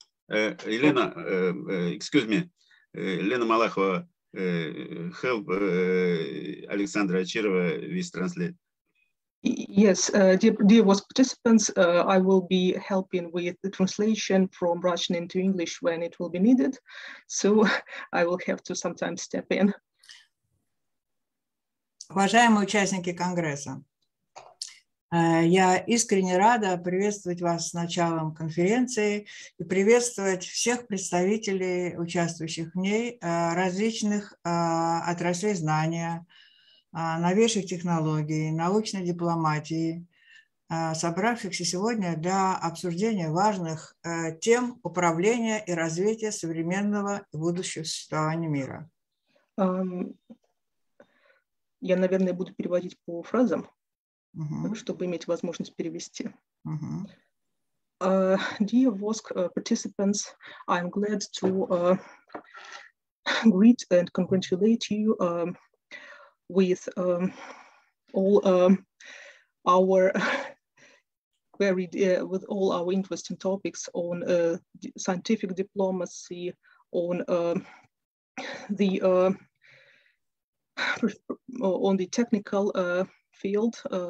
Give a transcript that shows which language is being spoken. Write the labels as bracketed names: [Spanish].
[English] Elena, excuse me. Elena Malakhova, help Alexandra Ochirova with translate. Yes, dear WOSC participants, I will be helping with the translation from Russian into English when it will be needed. So I will have to sometimes step in. [Russian] Уважаемые участники Конгресса, я искренне рада приветствовать вас с началом конференции и приветствовать всех представителей, участвующих в ней, различных отраслей знания, новейших технологий, научной дипломатии, собравшихся сегодня для обсуждения важных тем управления и развития современного и будущего существования мира. Я, наверное, буду переводить по фразам, чтобы иметь возможность перевести. [English] Dear WOSC participants, I'm glad to greet and congratulate you with all our very with all our interesting topics on scientific diplomacy, on the technical field.